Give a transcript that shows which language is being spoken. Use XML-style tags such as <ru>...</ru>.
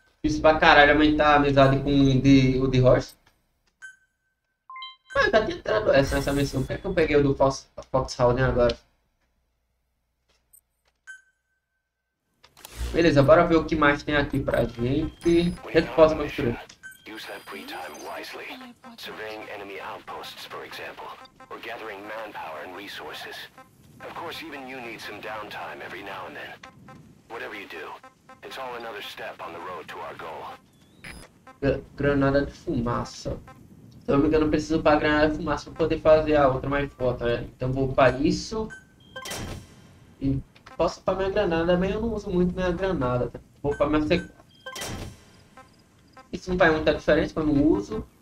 <pt>Difícil pra caralho aumentar a amizade com o The Horse. Mas eu já tinha entrado essa nessa missão. Por que, é que eu peguei o do Foxhound agora? Beleza, bora ver o que mais tem aqui pra gente. O que eu posso construir?</pt> <en>Use that free time wisely. Surveying enemy outposts, for example, or gathering manpower and resources. Of course, even you need some downtime every now and then. Whatever you do, it's all another step on the road to our goal.</en> <pt>Granada de fumaça. Se eu não me engano, eu preciso para granada de fumaça para poder fazer a outra mais forte. Né? Então vou para isso e posso para minha granada. Mas eu não uso muito minha granada. Tá? Vou para minha sequência. Isso não faz muita diferença quando uso.</pt>